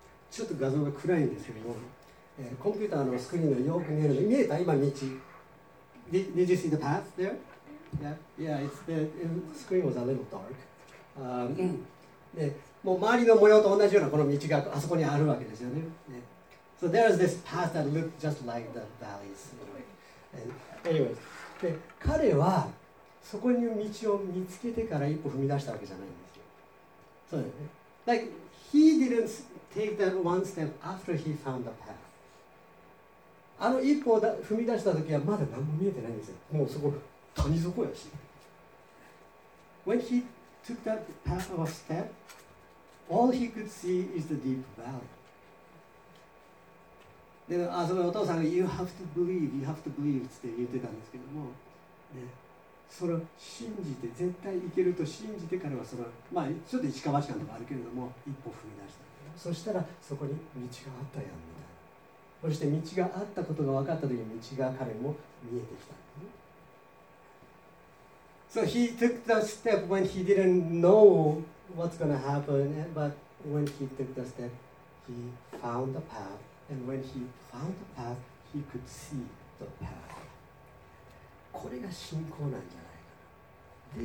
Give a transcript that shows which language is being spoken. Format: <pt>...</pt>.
<ja>ちょっと画像が暗いんですけども、コンピューターのスクリーンがよく見えるの、見えた今道。</ja> <en>Did you see the path there? Yeah, yeah. It's the screen was a little dark.</en> <ja>で、もう周りの模様と同じようなこの道があそこにあるわけですよね。</ja> <en>So there's this path that looked just like the valleys.</en> <ja>Anyway, で彼はそこに道を見つけてから一歩踏み出したわけじゃないんですよ。そうだよね。</ja> <en>Like he didn't take that one step after he found the path.</en> <ja>あの一歩を踏み出した時はまだ何も見えてないんですよ。もうそこ谷底やし。</ja> <en>When he took that path of a step, all he could see is the deep valley.</en> <ja>で、あそこお父さんが</ja> <en>You have to believe, you have to believe</en> <ja>って言ってたんですけども、ね、それを信じて絶対行けると信じて彼はそれは、まあ、ちょっと一か八かとかあるけれども一歩踏み出した。そしたらそこに道があったやんみたいな。そして道があったことが分かった時に道が彼も見えてきた。</ja> <en>So he took the step when he didn't know what's going to happen, but when he took the step, he found the path, and when he found the path, he could see the path.</en> <ja>これが信仰なんじゃないかな。</ja>